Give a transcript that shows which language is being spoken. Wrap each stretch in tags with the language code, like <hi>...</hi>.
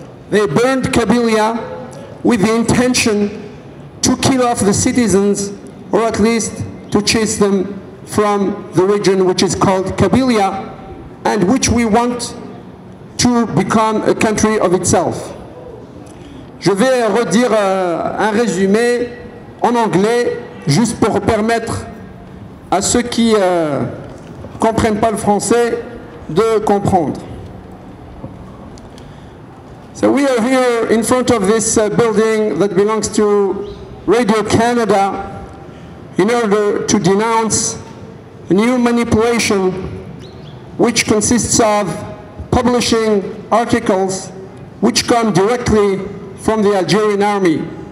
<en>They burned Kabylia with the intention to kill off the citizens, or at least to chase them from the region which is called Kabylia, and which we want to become a country of itself.</en> <fr>Je vais redire un résumé en anglais, juste pour permettre à ceux qui ne comprennent pas le français de comprendre.</fr> <en>So we are here in front of this building that belongs to Radio Canada in order to denounce a new manipulation which consists of publishing articles which come directly from the Algerian army</en>